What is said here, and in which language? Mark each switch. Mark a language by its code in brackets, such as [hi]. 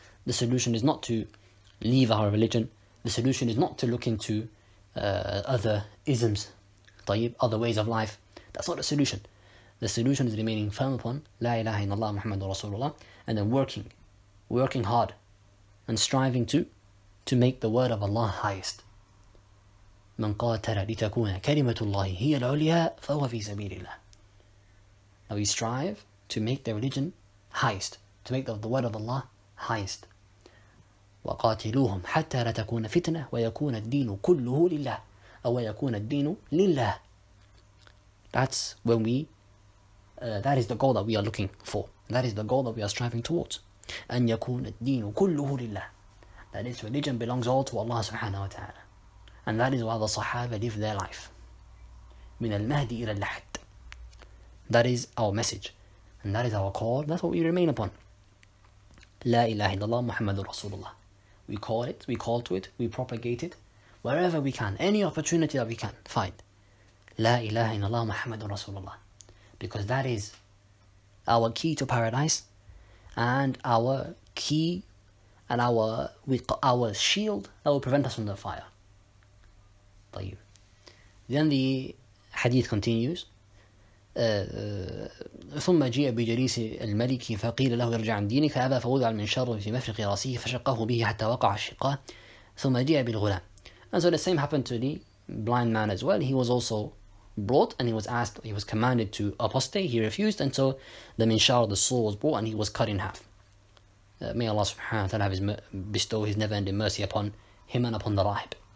[en] The solution is not to leave our religion. The solution is not to look into other isms, طيب, other ways of life. That's not the solution. The solution is remaining firm upon La ilaha illallah Muhammadur Rasulullah, and then working hard and striving to make the word of Allah highest. [ar] من قاتل لتكون كلمة الله هي العليا فهو في سبيل الله. [en] Now we strive to make the religion highest, to make the word of Allah highest. [ar] وقاتلوهم حتى لا تكون فتنة ويكون الدين كله لله أو يكون الدين لله. [en] That's when we, that is the goal that we are looking for. That is the goal that we are striving towards. [ar] أن يكون الدين كله لله. [en] That is, religion belongs all to Allah subhanahu wa ta'ala. And that is why the Sahaba live their life. [ar] من المهدي إلى اللحد. [en] That is our message. And that is our call. That's what we remain upon. [ar] لا إله إلا الله محمد رسول الله. [en] We call it, we call to it, we propagate it. Wherever we can, any opportunity that we can find. [ar] لا إله إلا الله محمد رسول الله. [en] Because that is our key to paradise. And our key and our shield that will prevent us from the fire. Then the hadith continues. [ar] ثم جاء بجليس الملك فقيل له ارجع عن دينك أبا فوضع المنشار في مفرق رأسه فشقه به حتى وقع الشقاء ثم جاء بالغلام. [en] And so the same happened to the blind man as well. He was also brought and he was asked, he was commanded to apostate. He refused, and so the minshar, the sword, was brought and he was cut in half. May Allah subhanahu wa ta'ala bestow his never-ending mercy upon him and upon the rahib.